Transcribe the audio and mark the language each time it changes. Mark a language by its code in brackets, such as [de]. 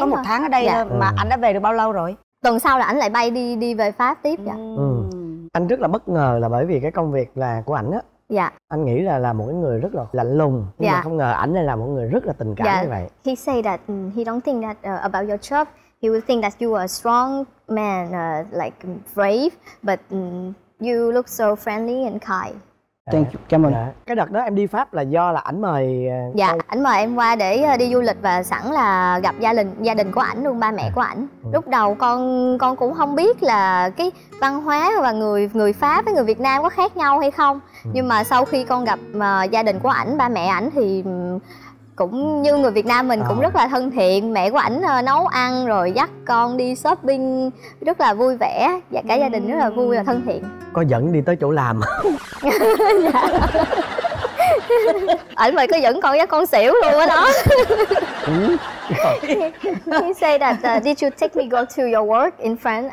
[vi] Có một tháng ở đây mà ảnh đã về được bao lâu rồi? Tuần sau là ảnh lại bay đi về Pháp tiếp. Dạ. Anh rất là bất ngờ là bởi vì cái công việc là của ảnh á. Dạ. Anh nghĩ là một cái người rất là lạnh lùng, nhưng mà không ngờ ảnh lại là một người rất là tình cảm như vậy. [en] He say that he don't think that about your job. He will think that you are a strong man, like brave, but you look so friendly and kind. Thank you. [vi] Cảm ơn. Cái đợt đó em đi Pháp là do là ảnh mời. Dạ, ảnh mời em qua để đi du lịch và sẵn là gặp gia đình của ảnh luôn, ba mẹ của ảnh. Lúc đầu con cũng không biết là cái văn hóa và người Pháp với người Việt Nam có khác nhau hay không. Nhưng mà sau khi con gặp gia đình của ảnh, ba mẹ ảnh thì cũng như người Việt Nam mình, cũng rất là thân thiện. Mẹ của ảnh nấu ăn rồi dắt con đi shopping rất là vui vẻ, và cả gia đình rất là vui và thân thiện. Có dẫn đi tới chỗ làm ảnh mày có dẫn con dắt con xỉu luôn á đó. [en] He say that did you take me go to your work in France?